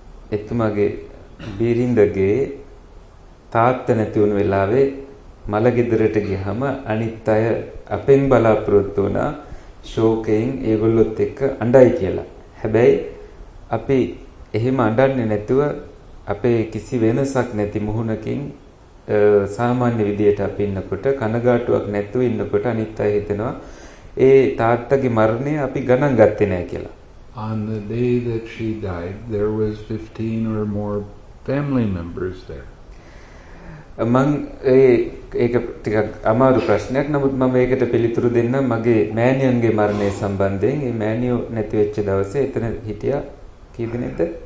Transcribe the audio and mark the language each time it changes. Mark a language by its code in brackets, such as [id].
[si] එතුමගේ බිරිඳගේ තාත්ත නැති වුණු වෙලාවේ මළගෙදරට ගියහම අනිත් අය අපෙන් බලාපොරොත්තු වුණා ශෝකයෙන් ඒගොල්ලොත් එක්ක අඬයි කියලා. හැබැයි අපි එහෙම අඬන්නේ නැතුව අපේ කිසි වෙනසක් නැති මුහුණකින් සාමාන්‍ය විදියට අපි ඉන්නකොට, කනගාටුවක් නැතුව ඉන්නකොට අනිත් අය හිතනවා ඒ තාත්තගේ මරණය අපි ගණන් ගත්තේ නැහැ කියලා. [en] on the day that she died, there was 15 or more family members there. [si] මම ඒක ටිකක් අමාරු ප්‍රශ්නයක්. නමුත් මම ඒකට පිළිතුරු දෙන්න මගේ මෑණියන්ගේ මරණය සම්බන්ධයෙන්. ඒ මෑණියෝ නැති වෙච්ච දවසේ එතන හිටියා කී දෙනෙක්ද?